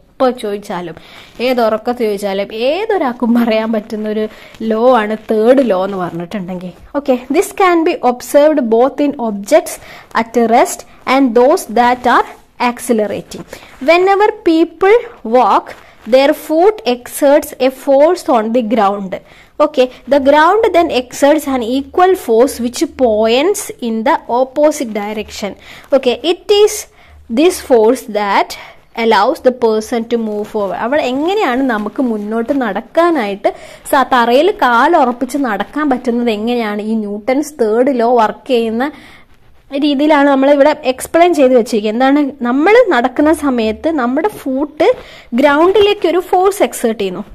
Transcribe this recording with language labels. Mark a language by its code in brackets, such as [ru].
[ml] എപ്പോൾ ചോദിച്ചാലും ഏതൊറക്കത്ത് ചോദിച്ചാലും ഏതൊരാൾക്കും പറയാൻ പറ്റുന്ന ഒരു ലോ ആണ് തേർഡ് ലോ എന്ന് പറഞ്ഞിട്ടുണ്ടെങ്കിൽ. [en] Okay, this can be observed both in objects at rest and those that are accelerating. Whenever people walk their foot exerts a force on the ground. Okay, the ground then exerts an equal force which points in the opposite direction. Okay, it is this force that allows the person to move forward. [ml] അവിടെ എങ്ങനെയാണ് നമുക്ക് മുന്നോട്ട് നടക്കാനായിട്ട് തറയിൽ കാലുറപ്പിച്ച് നടക്കാൻ പറ്റുന്നത് എങ്ങനെയാണ് ഈ ന്യൂട്ടൺസ് തേർഡ് ലോ വർക്ക് ചെയ്യുന്ന രീതിയിലാണ് നമ്മളിവിടെ എക്സ്പ്ലെയിൻ ചെയ്ത് വെച്ചിരിക്കുക. എന്താണ്, നമ്മൾ നടക്കുന്ന സമയത്ത് നമ്മുടെ ഫൂട്ട് ഗ്രൗണ്ടിലേക്ക് ഒരു ഫോഴ്സ് എക്സേർട്ട് ചെയ്യുന്നു.